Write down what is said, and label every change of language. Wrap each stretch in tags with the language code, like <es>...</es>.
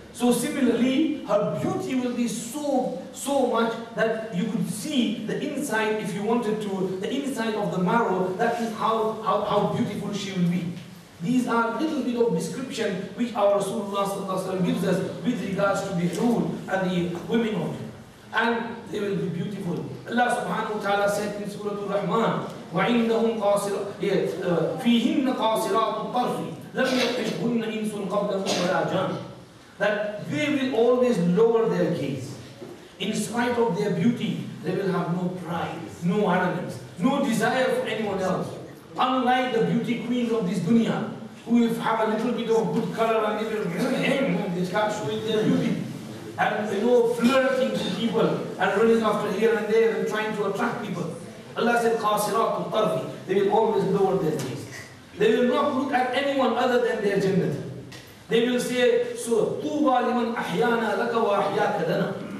<en>So similarly, her beauty will be so much that you could see the inside, if you wanted to, the inside of the marrow, that is how beautiful she will be. These are little bit of description which our Rasulullah gives us with regards to the rule and the women of it. And they will be beautiful. Allah subhanahu wa ta'ala said in Surah Al-Rahman,</en> <ar>وَعِنْدَهُمْ فِيهِنَّ قَاصِرَاتُ الطَّرْفِ لَمْ يَقْحِشْهُنَّ إِنْسٌ قَبْلَهُمْ وَلَا جَانٌ.</ar> <en>That they will always lower their gaze. In spite of their beauty, they will have no pride, no arrogance, no desire for anyone else. Unlike the beauty queens of this dunya, who if have a little bit of good color and they will they start showing their beauty. And you know, flirting to people and running after here and there and trying to attract people. Allah said,</en> <ar>قَاصِرَاتُ الطَّرْفِ.</ar> <en>They will always lower their gaze. They will not look at anyone other than their gender. They will say, so</en> <ar>طُوبَى لِمَنْ أَحْيَانَا لَكَ وَأَحْيَاكَ لَنَا.</ar>